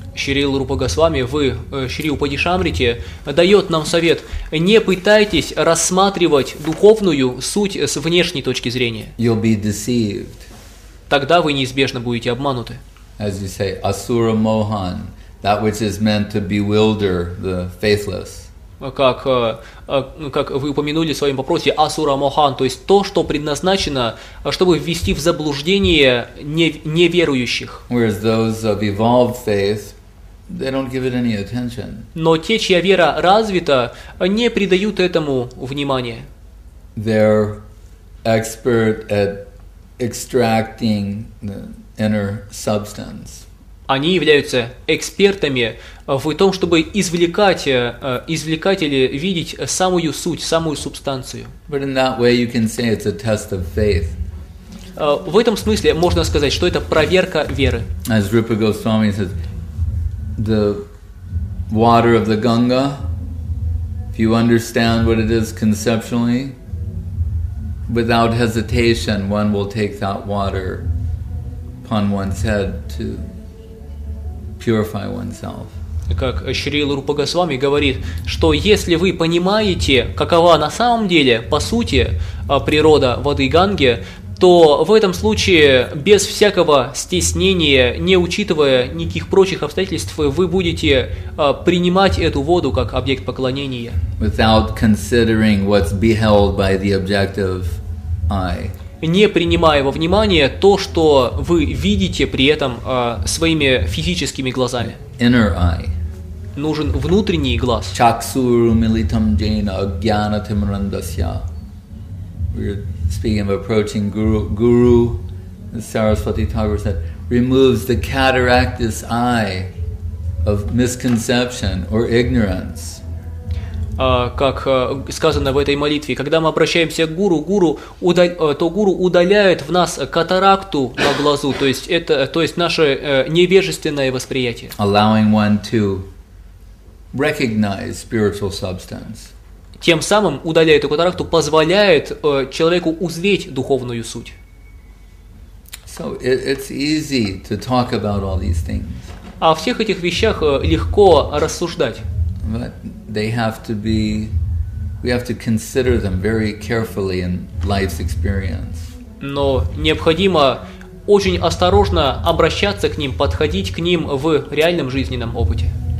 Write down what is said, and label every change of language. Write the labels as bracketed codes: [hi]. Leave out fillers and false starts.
[ru] Шрила Рупа Госвами в Шри Упадешамрите дает нам совет: не пытайтесь рассматривать духовную суть с внешней точки зрения. [en] You'll be deceived. [ru] Тогда вы неизбежно будете обмануты. [en] As you say, asura mohan, that which is meant to bewilder the faithless. [ru] Как вы упомянули в своем вопросе, асура мохан, то есть то, что предназначено, чтобы ввести в заблуждение неверующих. [en] Whereas those of evolved faith, they don't give it any attention. [ru] Но те, чья вера развита, не придают этому внимания. [en] They're expert at extracting the inner substance. [ru] Они являются экспертами в том, чтобы извлекать или видеть самую суть, самую субстанцию. [en] But in that way you can say it's a test of faith. [ru] В этом смысле можно сказать, что это проверка веры. [en] As Rupa Goswami says, the water of the Ganga, if you understand what it is conceptually, without hesitation one will take that water upon one's head to purify oneself. [ru] Как Шрила Рупа Госвами говорит, что если вы понимаете, какова на самом деле, по сути, природа воды Ганги, то в этом случае, без всякого стеснения, не учитывая никаких прочих обстоятельств, вы будете принимать эту воду как объект поклонения. [en] Without considering what's beheld by the objective eye. [ru] Не принимая во внимание то, что вы видите при этом своими физическими глазами. [en] Inner eye. [ru] Нужен внутренний глаз. [sa] Чаксуру милитам джейна агьяна тимрандасья. [en] We're speaking of approaching Guru. Guru, as Saraswati Thakur said, removes the cataractous eye of misconception or ignorance. [ru] Как сказано в этой молитве, когда мы обращаемся к Гуру, то Гуру удаляет в нас катаракту на глазу, то есть наше невежественное восприятие. [en] Allowing one to recognize spiritual substance. [ru] Тем самым, удаляя эту катаракту, позволяет человеку узреть духовную суть. [en] So it's easy to talk about all these things. [ru] О всех этих вещах легко рассуждать. [en] But they have to be, we have to consider them very carefully in life's experience. [ru] Но необходимо очень осторожно обращаться к ним, подходить к ним в реальном жизненном опыте.